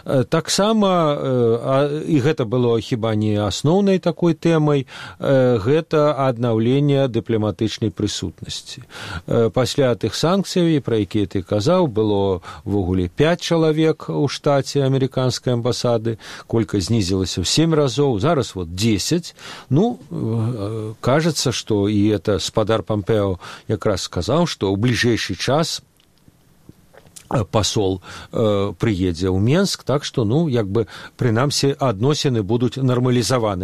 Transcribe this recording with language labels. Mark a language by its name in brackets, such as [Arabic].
[Belarusian] Таксама, і гэта было хіба не асноўнай такой тэмай, гэта аднаўленне дыпламатычнай прысутнасці. Пасля тых санкцый, пра якія ты казаў, было ўвогуле 5 чалавек у штаце амерыканскай амбасады, колькасць знізілася ў 7 разоў, зараз вот 10. [Russian] Ну, кажется, что и это спадар Пампео как раз сказал, что в ближайший час [Belarusian] посол приедзе ў Менск, так што, ну, як бы, прынамсі, адносіны будуць нармалізаваны.